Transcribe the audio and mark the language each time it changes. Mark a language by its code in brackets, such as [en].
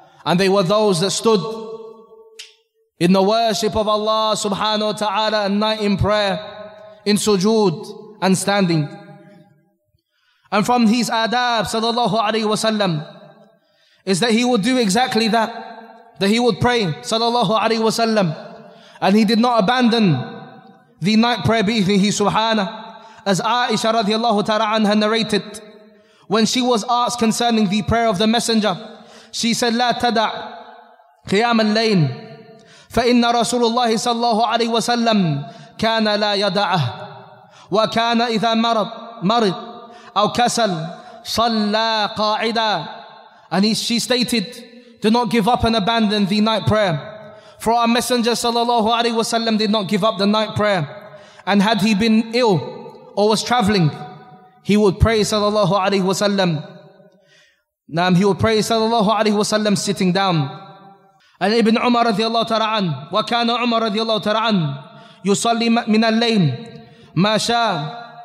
[en] And they were those that stood in the worship of Allah subhanahu wa ta'ala at night in prayer, in sujood and standing. And from his adab sallallahu alayhi wa sallam is that he would do exactly that, that he would pray sallallahu alayhi wa sallam, and he did not abandon the night prayer bi'ithnihi subhanah. As Aisha radiallahu ta'ala anha narrated, when she was asked concerning the prayer of the messenger, she said, [ar] لا تدع قيام الليل فَإِنَّ رَسُولُ اللَّهِ صَلَّى اللَّهُ عَلَيْهِ وَسَلَّمْ كَانَ لَا يَدَعَهُ وَكَانَ إِذَا مَرِضْ أَوْ كَسَلْ صَلَّى قَاعِدًا. [en] And she stated, do not give up and abandon the night prayer. For our messenger sallallahu alayhi wa sallam did not give up the night prayer. And had he been ill or was traveling, he would pray sallallahu alayhi wa sallam. Now he would pray sallallahu alayhi wa sallam sitting down. And Ibn Umar radiallahu ta'ala an, [ar] wa kana Umar radiallahu ta'ala an, yusalli min al-layl ma sha.